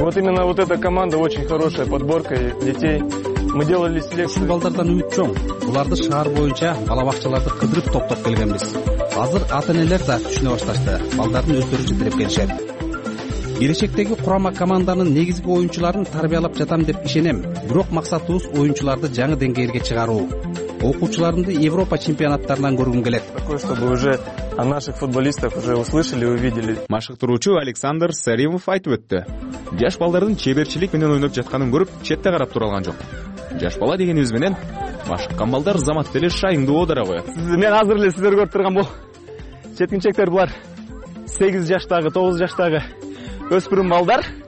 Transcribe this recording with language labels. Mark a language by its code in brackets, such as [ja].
[ru] Вот именно вот эта команда очень хорошая подборка детей. Мы делали селекцию. [ky] Балдардан үмүт чоң. Буларды шаар боюнча балабакчаларды кыдырып топтоп келгенбиз. Азыр ата-энелер да түшүнө башташты. Балдардын өздөрү жетирип келишет. Келечектеги курама команданын негизги оюнчуларын тарбиялап жатам деп ишенем. Бирок максатыбыз оюнчуларды жаңы деңгээлге чыгаруу. Окуучуларымды Европа чемпионаттарынан көргүм келет. [ru] А наших футболистов уже услышали, увидели. [ky] Машыктыруучу Александр Саримов айтып өттү. Жаш балдардын чеберчилик менен ойноп жатканын көрүп, четте карап тура алган жок. Жаш бала дегенибиз менен машыккан балдар замат деле шайыңды оодара коет. Мен азыр эле сиздер көрүп турган бул жеткинчектер булар 8 жаштагы, 9 жаштагы өспүрүм балдар.